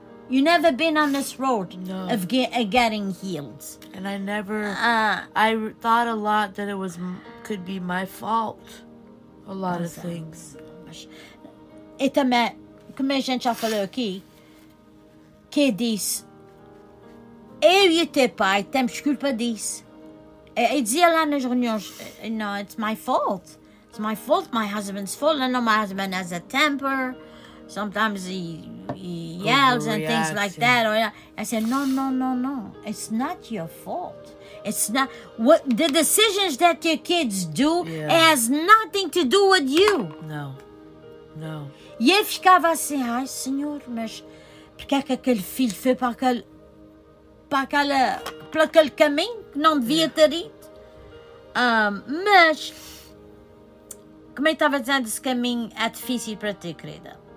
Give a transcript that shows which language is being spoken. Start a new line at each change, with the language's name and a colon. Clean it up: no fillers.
English: You never been on this road of getting healed. And I never. I thought a lot that it was could be my fault. A lot of things.
Portuguese: E também, como a gente já falou aqui, que disse. Eu e o teu pai temos culpa disso. Eu dizia lá nas reuniões,
English: no, it's my fault. It's my fault, my husband's fault. And my husband has a temper. Sometimes he yells and things like that. Or, I said, no. It's not your fault. It's not. What the decisions that your kids do, it has nothing to do with you. No.
Portuguese: E eu ficava assim, ai, senhor, mas porque é que aquele filho foi para aquele... para aquele caminho que não devia ter ido. Mas, como eu estava dizendo, esse caminho é difícil para ti, querida.